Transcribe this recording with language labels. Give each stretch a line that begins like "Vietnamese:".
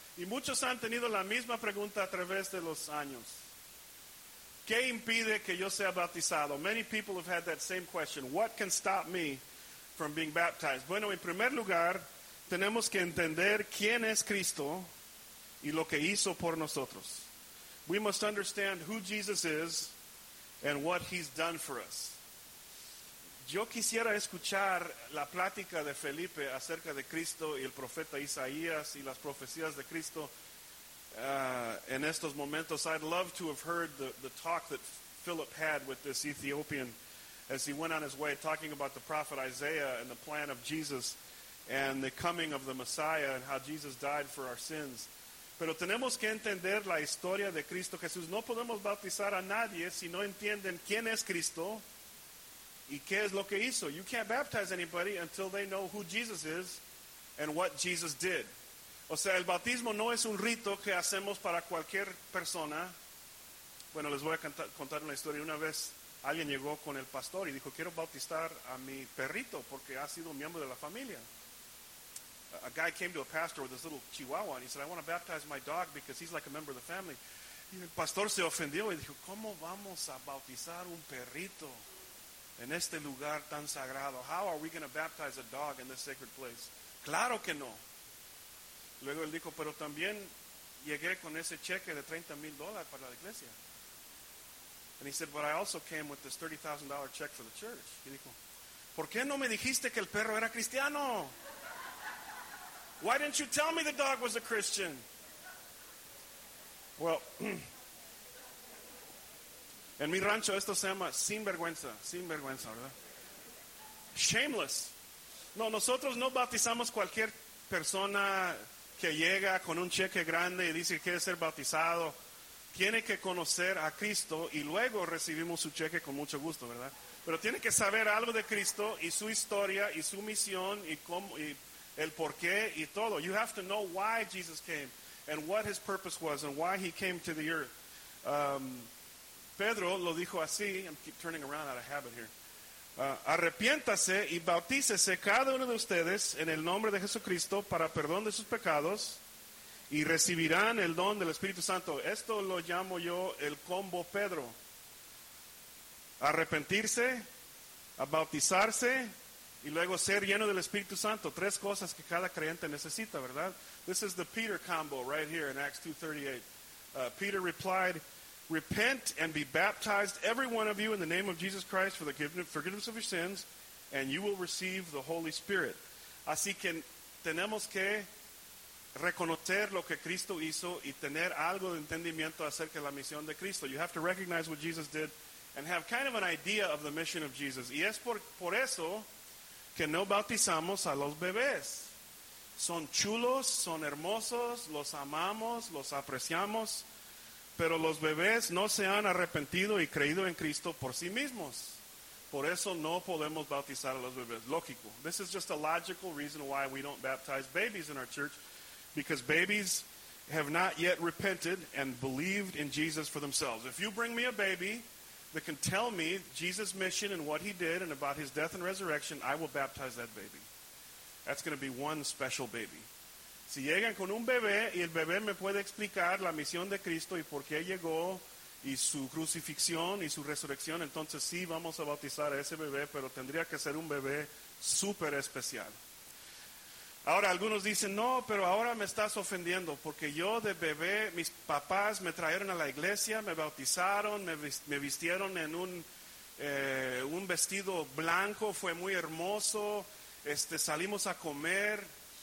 Spanish: Y muchos han tenido la misma pregunta a través de los años. ¿Qué impide que yo sea bautizado?
English: Many people have had that same question. What can stop me from being baptized?
Spanish: Bueno, en primer lugar, tenemos que entender quién es Cristo y lo que hizo por nosotros.
English: We must understand who Jesus is and what he's done for us.
Spanish: Yo quisiera escuchar la plática de Felipe acerca de Cristo y el profeta Isaías y las profecías de Cristo en estos momentos.
English: I'd love to have heard the talk that Philip had with this Ethiopian as he went on his way talking about the prophet Isaiah and the plan of Jesus and the coming of the Messiah and how Jesus died for our sins.
Spanish: Pero tenemos que entender la historia de Cristo Jesús. No podemos bautizar a nadie si no entienden quién es Cristo y qué es lo que hizo.
English: You can't baptize anybody until they know who Jesus is and what Jesus did.
Spanish: O sea, el bautismo no es un rito que hacemos para cualquier persona. Bueno, les voy a contar una historia. Una vez alguien llegó con el pastor y dijo, quiero bautizar a mi perrito porque ha sido miembro de la familia.
English: A guy came to a pastor with this little chihuahua and he said, I want to baptize my dog because he's like a member of the family.
Spanish: Y el pastor se ofendió y dijo, ¿cómo vamos a bautizar un perrito en este lugar tan sagrado?
English: How are we going to baptize a dog in this sacred place?
Spanish: Claro que no. Luego él dijo, pero también llegué con ese cheque de $30,000 para la iglesia.
English: And he said, but I also came with this $30,000 check for the church.
Spanish: Y dijo, ¿por qué no me dijiste que el perro era cristiano?
English: Why didn't you tell me the dog was a Christian?
Spanish: Well, en mi rancho esto se llama sinvergüenza, ¿verdad? Shameless. No, nosotros no bautizamos cualquier persona que llega con un cheque grande y dice que quiere ser bautizado. Tiene que conocer a Cristo y luego recibimos su cheque con mucho gusto, ¿verdad? Pero tiene que saber algo de Cristo y su historia y su misión y cómo y el porqué y todo.
English: You have to know why Jesus came and what his purpose was and why he came to the earth.
Spanish: Pedro lo dijo así.
English: I'm keep turning around out of habit here.
Spanish: Arrepiéntase y bautícese cada uno de ustedes en el nombre de Jesucristo para perdón de sus pecados y recibirán el don del Espíritu Santo. Esto lo llamo yo el combo Pedro. Arrepentirse, a bautizarse y luego ser lleno del Espíritu Santo. Tres cosas que cada creyente necesita, ¿verdad?
English: This is the Peter combo right here in Acts 2:38. Peter replied, repent and be baptized, every one of you, in the name of Jesus Christ for the forgiveness of your sins, and you will receive the Holy Spirit.
Spanish: Así que tenemos que reconocer lo que Cristo hizo y tener algo de entendimiento acerca de la misión de Cristo.
English: You have to recognize what Jesus did and have kind of an idea of the mission of Jesus.
Spanish: Y es por eso que no bautizamos a los bebés. Son chulos, son hermosos, los amamos, los apreciamos. Pero los bebés no se han arrepentido y creído en Cristo por sí mismos. Por eso no podemos bautizar a los bebés. Lógico.
English: This is just a logical reason why we don't baptize babies in our church. Because babies have not yet repented and believed in Jesus for themselves. If you bring me a baby that can tell me Jesus' mission and what he did and about his death and resurrection, I will baptize that baby. That's going to be one special baby.
Spanish: Si llegan con un bebé y el bebé me puede explicar la misión de Cristo y por qué llegó y su crucifixión y su resurrección, entonces sí vamos a bautizar a ese bebé, pero tendría que ser un bebé súper especial. Ahora algunos dicen, no, pero ahora me estás ofendiendo porque yo de bebé, mis papás me trajeron a la iglesia, me bautizaron, me vistieron en un vestido blanco, fue muy hermoso, salimos a comer.